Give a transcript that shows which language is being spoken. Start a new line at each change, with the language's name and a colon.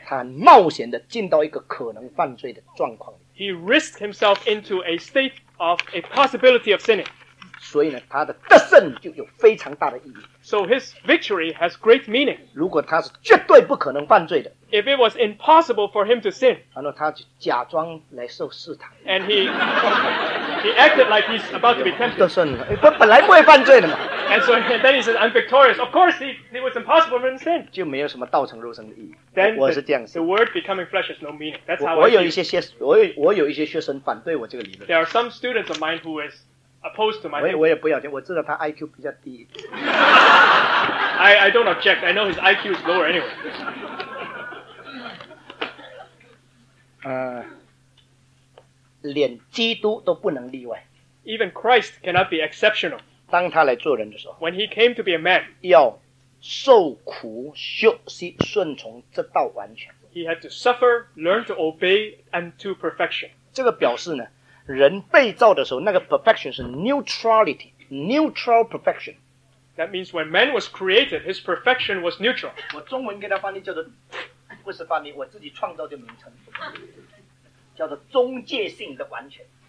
Chinese: 他冒险地进到一个可能犯罪的状况里,
English: he risked himself into a state of a possibility of sinning.
Chinese: 所以呢,他的得胜就有非常大的意义。
English: So his victory has great meaning.
Chinese: 如果他是绝对不可能犯罪的,
English: if it was impossible for him to sin,
Chinese: 然后他就假装来受试探,
English: and he acted like he's about to be tempted.
Chinese: 得胜了,本来不会犯罪的嘛。
English: And so then he says, I'm victorious. Of course, it was impossible for him to sin.
Chinese: 就没有什么道成肉身的意义。
English: Then the word becoming flesh has no meaning. That's how I view.
Chinese: 我有一些学生反对我这个理论。
English: There are some students of mine who is opposed to my thing.
Chinese: 我也不要紧,我知道他IQ比较低。
English: I don't object. I know his IQ is lower anyway.
Chinese: 连基督都不能例外。
English: Even Christ cannot be exceptional.
Chinese: 当他来做人的时候,
English: when he came to be a man,
Chinese: 要受苦,休息,顺从,直到完全。
English: He had to suffer, learn to obey, and to perfection.
Chinese: 这个表示呢, 人被造的时候, 那个perfection是
English: neutrality, neutral perfection. That means when man was created, his perfection was neutral.
Chinese: 我中文给他翻译叫做, 不是翻译, 我自己创造的名称, 叫做中介性的完全。